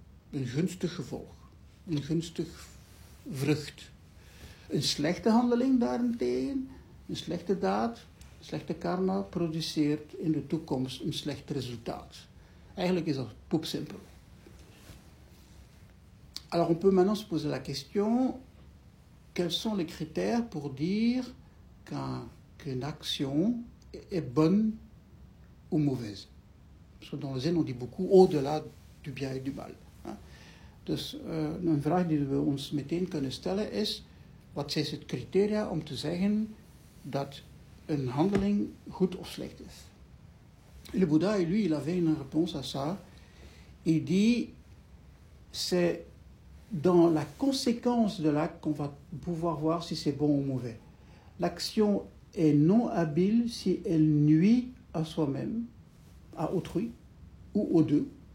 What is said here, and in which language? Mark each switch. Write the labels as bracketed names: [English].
[Dutch] Een gunstig gevolg. Een gunstig vrucht. Een slechte handeling daarentegen, een slechte daad, een slechte karma, produceert in de toekomst een slecht resultaat. Eigenlijk is dat poepsimpel. [French] Alors on peut maintenant se poser la question, quels sont les critères pour dire qu'une action est bonne ou mauvaise. Parce que dans le Zen, on dit beaucoup au-delà du bien et du mal. [Dutch] Dus een vraag die we ons meteen kunnen stellen is, wat zijn het criteria om te zeggen dat een handeling goed of slecht is? [French] Le Bouddha, lui, il avait une réponse à ça. Il dit, c'est dans la conséquence de l'acte qu'on va pouvoir voir si c'est bon ou mauvais. L'action est non habile si elle nuit à soi-même, à autrui ou aux deux.